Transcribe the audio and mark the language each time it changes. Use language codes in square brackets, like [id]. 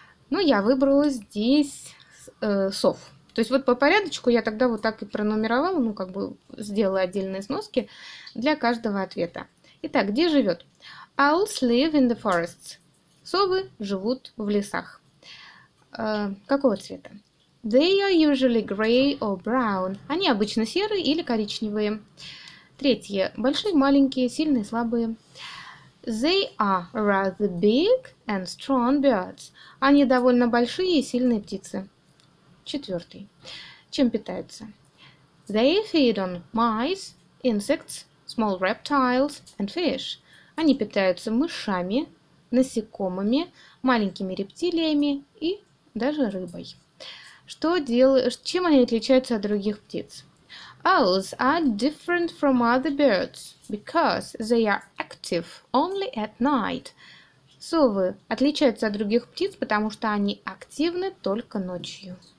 [ru] Ну, я выбрала здесь сов. То есть вот по порядочку я тогда вот так и пронумеровала, ну, как бы сделала отдельные сноски для каждого ответа. Итак, где живет? [en] Owls live in the forests. [ru] Совы живут в лесах. Какого цвета? [en] They are usually grey or brown. [ru] Они обычно серые или коричневые. Третье. Большие, маленькие, сильные, слабые. [en] They are rather big and strong birds. [ru] Они довольно большие и сильные птицы. Четвертый. Чем питаются? [en] They feed on mice, insects, small reptiles and fish. [ru] Они питаются мышами, насекомыми, маленькими рептилиями и даже рыбой. Что чем они отличаются от других птиц? [en] Owls are different from other birds because they are active only at night. [ru] Совы отличаются от других птиц, потому что они активны только ночью.